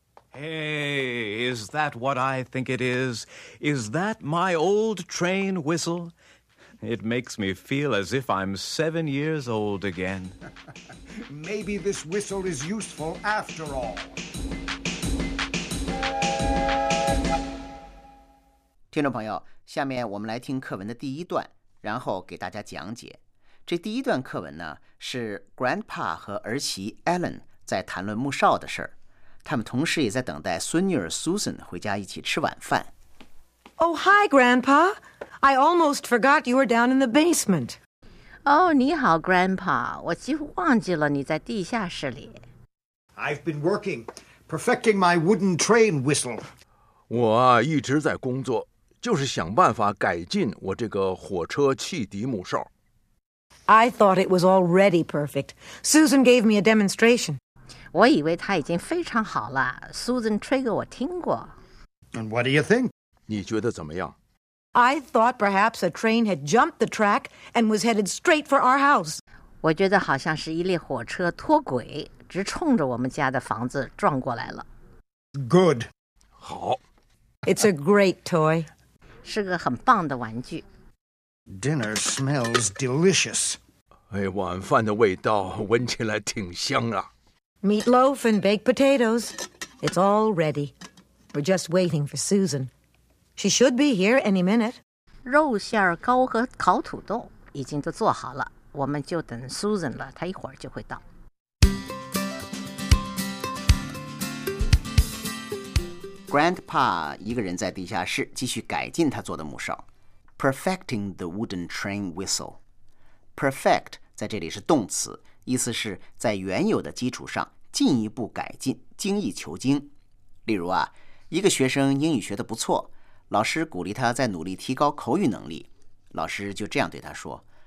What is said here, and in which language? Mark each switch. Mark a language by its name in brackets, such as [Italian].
[English] Hey, is that what I think it is? Is that my old train whistle? It makes me feel as if I'm 7 years old again. Maybe this whistle is useful after all. [Chinese] 听众朋友，下面我们来听课文的第一段，然后给大家讲解。这第一段课文呢，是 Grandpa 和儿媳 Ellen 在谈论穆少的事，他们同时也在等待孙女儿 Susan 回家一起吃晚饭。 [English] Oh, hi, Grandpa. I almost forgot you were down in the basement. [Chinese] Oh, 你好 Grandpa. 我几乎忘记了你在地下室里。 [English] I've been working, perfecting my wooden train whistle. [Chinese] 我一直在工作，就是想办法改进我这个火车汽笛木哨。 [English] I thought it was already perfect. Susan gave me a demonstration. [Chinese] 我以为它已经非常好了。Susan 吹给我听过。 [English] And what do you think? [Chinese] 你觉得怎么样？ [English] I thought perhaps a train had jumped the track and was headed straight for our house. [Chinese] 我觉得好像是一列火车脱轨，直冲着我们家的房子撞过来了。 [English] Good. [Chinese] 好 [English] It's a great toy. [Chinese] 是个很棒的玩具。 [English] Dinner smells delicious. [Chinese] 哎，晚饭的味道闻起来挺香啊。 [English] Meatloaf and baked potatoes. It's all ready. We're just waiting for Susan. She should be here any minute. [Chinese] 肉馅糕和烤土豆已经都做好了，我们就等 Susan 了，她一会儿就会到。 Grandpa 一个人在地下室继续改进他做的木哨 [English] Perfecting the wooden train whistle [Chinese] Perfect 在这里是动词意思是在原有的基础上进一步改进精益求精例如啊，一个学生英语学得不错老师鼓励他在努力提高口语能力老师就这样对他说